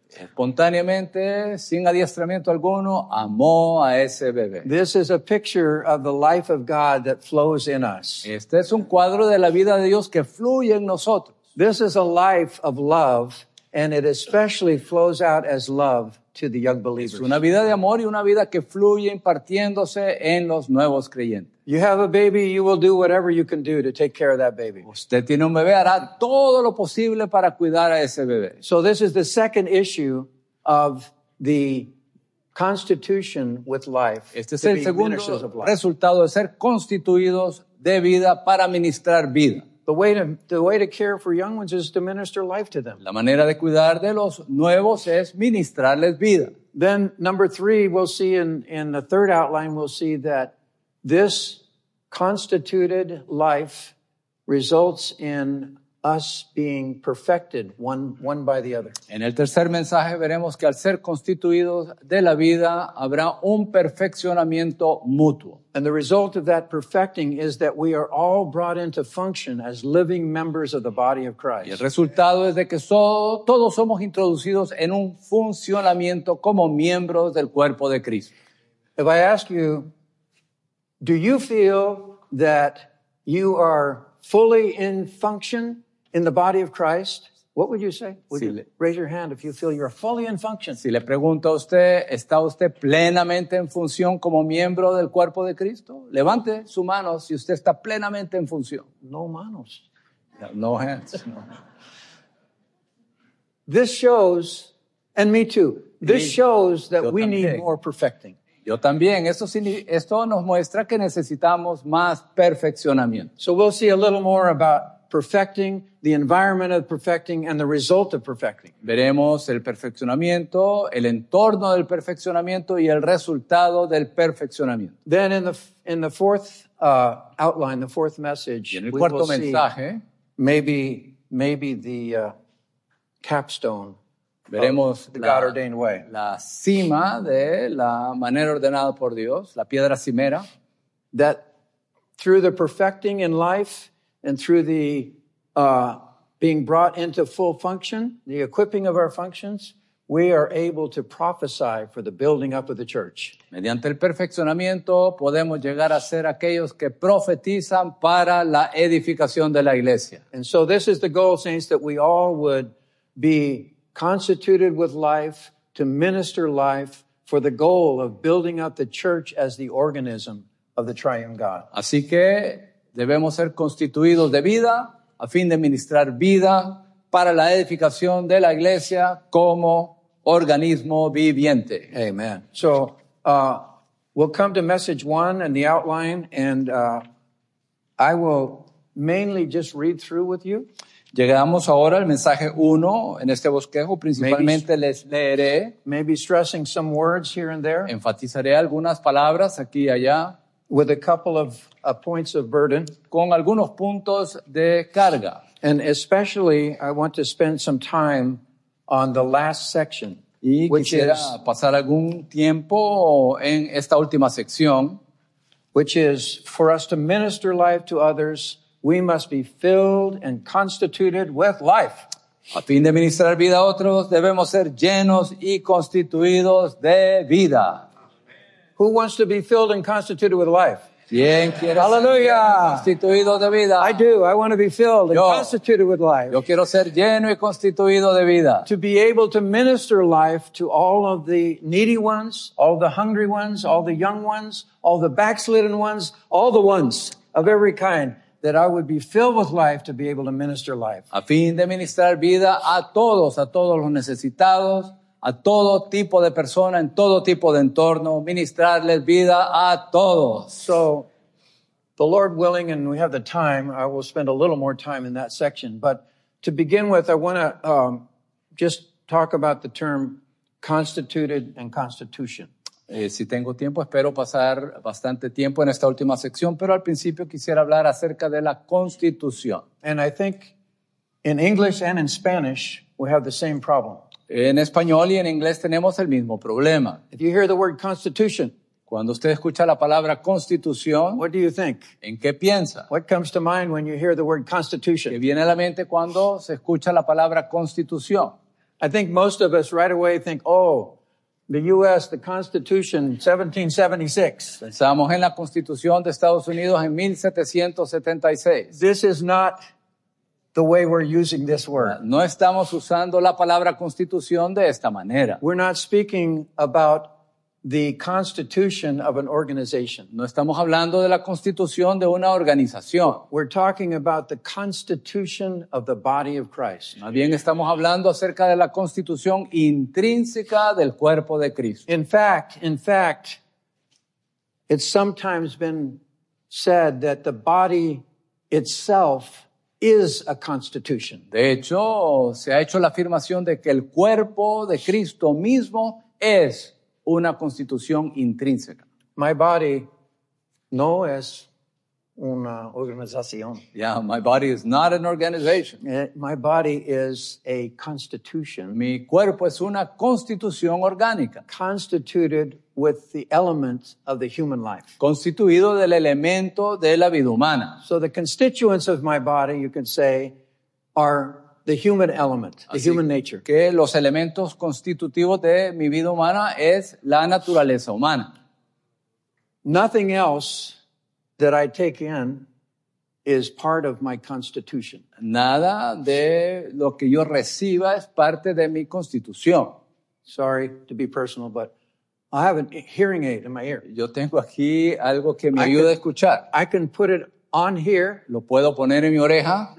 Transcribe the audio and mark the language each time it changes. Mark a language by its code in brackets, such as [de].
[es] Espontáneamente, sin adiestramiento alguno, amó a ese bebé. [en] This is a picture of the life of God that flows in us. [es] Este es un cuadro de la vida de Dios que fluye en nosotros. [en] This is a life of love, and it especially flows out as love to the young believers. [es] Es una vida de amor y una vida que fluye impartiéndose en los nuevos creyentes. [en] You have a baby, you will do whatever you can do to take care of that baby. [es] Usted tiene un bebé, hará todo lo posible para cuidar a ese bebé. [en] So this is the second issue of the constitution with life. [es] Este es el segundo resultado de ser constituidos de vida para ministrar vida. [en] The way to care for young ones is to minister life to them. [es] La manera de cuidar de los nuevos es ministrarles vida. [en] Then number three, we'll see in the third outline, we'll see that this constituted life results in us being perfected one by the other. [es] En el tercer mensaje veremos que al ser constituidos de la vida habrá un perfeccionamiento mutuo. [en] And the result of that perfecting is that we are all brought into function as living members of the body of Christ. [es] Y el resultado es de que todos somos introducidos en un funcionamiento como miembros del cuerpo de Cristo. [en] If I ask you, do you feel that you are fully in function in the body of Christ? What would you say? Raise your hand if you feel you're fully in function. [es] Si le pregunto a usted, ¿está usted plenamente en función como miembro del cuerpo de Cristo? Levante su mano si usted está plenamente en función. No manos. [en] No hands. No. This shows, and me too, this shows that we need more perfecting. [es] Yo también. Esto nos muestra que necesitamos más perfeccionamiento. [en] So we'll see a little more about perfecting, the environment of perfecting, and the result of perfecting. [es] Veremos el perfeccionamiento, el entorno del perfeccionamiento y el resultado del perfeccionamiento. [en] Then in the fourth outline, the fourth message, [es] en el cuarto mensaje, [en] maybe the capstone. [es] Veremos [en] God-ordained way. [es] La cima de la manera ordenada por Dios, la piedra cimera. [en] That through the perfecting in life and through the being brought into full function, the equipping of our functions, we are able to prophesy for the building up of the church. [es] Mediante el perfeccionamiento podemos llegar a ser aquellos que profetizan para la edificación de la iglesia. [en] And so this is the goal, saints, that we all would be constituted with life to minister life for the goal of building up the church as the organism of the triune God. [es] Así que debemos ser constituidos de vida a fin de ministrar vida para la edificación de la iglesia como organismo viviente. [en] Amen. So We'll come to message one and the outline, and I will mainly just read through with you. [es] Llegamos ahora al mensaje uno en este bosquejo. Principalmente les leeré. [en] Maybe stressing some words here and there. [es] Enfatizaré algunas palabras aquí y allá. [en] With a couple of points of burden. [es] Con algunos puntos de carga. [en] And especially, I want to spend some time on the last section. [es] Y [en] which [es] quisiera [en] is, [es] pasar algún tiempo en esta última sección. [en] Which is, for us to minister life to others, we must be filled and constituted with life. [es] A fin de ministrar vida a otros, debemos ser llenos y constituidos de vida. [en] Who wants to be filled and constituted with life? [es] ¿Quién quiere [en] Hallelujah. [es] Ser constituido de vida? [en] I do. I want to be filled and constituted with life. [es] Yo quiero ser lleno y constituido de vida. [en] To be able to minister life to all of the needy ones, all the hungry ones, all the young ones, all the backslidden ones, all the ones of every kind. That I would be filled with life to be able to minister life. [es] A fin de ministrar vida a todos los necesitados, a todo tipo de persona, en todo tipo de entorno, ministrarles vida a todos. [en] So, the Lord willing, and we have the time, I will spend a little more time in that section. But to begin with, I want to just talk about the term constituted and constitution. [es] Si tengo tiempo, espero pasar bastante tiempo en esta última sección, pero al principio quisiera hablar acerca de la Constitución. [en] And I think in English and in Spanish we have the same problem. [es] En español y en inglés tenemos el mismo problema. [en] If you hear the word constitution, [es] cuando usted escucha la palabra Constitución, [en] what do you think? [es] ¿En qué piensa? [en] What comes to mind when you hear the word constitution? [es] ¿Qué viene a la mente cuando se escucha la palabra Constitución? [en] I think most of us right away think, oh, the U.S., the Constitution, 1776. [es] Pensamos en la Constitución de Estados Unidos en 1776. [en] This is not the way we're using this word. [es] No estamos usando la palabra Constitución de esta manera. [en] We're not speaking about the Constitution of an organization. [es] No estamos hablando de la Constitución de una organización. [en] We're talking about the Constitution of the body of Christ. [es] Más bien estamos hablando acerca de la Constitución intrínseca del cuerpo de Cristo. [en] In fact, it's sometimes been said that the body itself is a constitution. [es] De hecho, se ha hecho la afirmación de que el cuerpo de Cristo mismo es una constitución intrínseca. [en] My body [es] no es una organización. [en] Yeah, my body is not an organization. My body is a constitution. [es] Mi cuerpo es una constitución orgánica. [en] Constituted with the elements of the human life. [es] Constituido del elemento de la vida humana. [en] So the constituents of my body, you can say, are the human element, the [es] Así [en] human nature. [es] Que los elementos constitutivos de mi vida humana es la naturaleza humana. [en] Nothing else that I take in is part of my constitution. [es] Nada de lo que yo reciba es parte de mi constitución. [en] Sorry to be personal, but I have a hearing aid in my ear. [es] Yo tengo aquí algo que me ayuda a escuchar. [en] I can put it on here, [es] lo puedo poner en mi oreja.